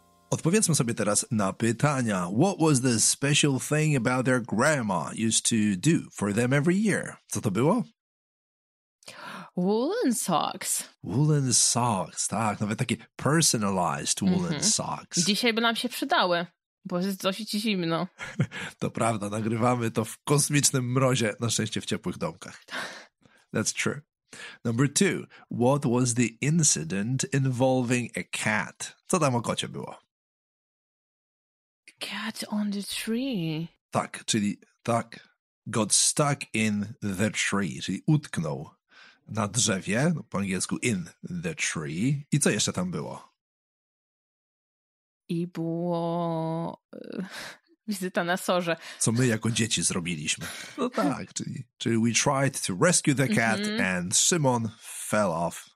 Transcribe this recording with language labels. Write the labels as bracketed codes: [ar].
[pl] Odpowiedzmy sobie teraz na pytania. [en] What was the special thing about their grandma used to do for them every year? [pl] Co to było? [en] Woolen socks. Woolen socks, [pl] tak. Nawet takie [en] personalized woolen socks. [pl] Dzisiaj by nam się przydały, bo jest dosyć zimno. To prawda, nagrywamy to w kosmicznym mrozie, na szczęście w ciepłych domkach. [en] That's true. Number two. What was the incident involving a cat? [pl] Co tam o kocie było? [en] Cat on the tree. [pl] Tak, czyli tak. [en] Got stuck in the tree, [pl] czyli utknął na drzewie, po angielsku [en] in the tree. [pl] I co jeszcze tam było? I było wizyta na sorze. Co my jako dzieci zrobiliśmy. No tak, czyli [en] we tried to rescue the cat and Simon fell off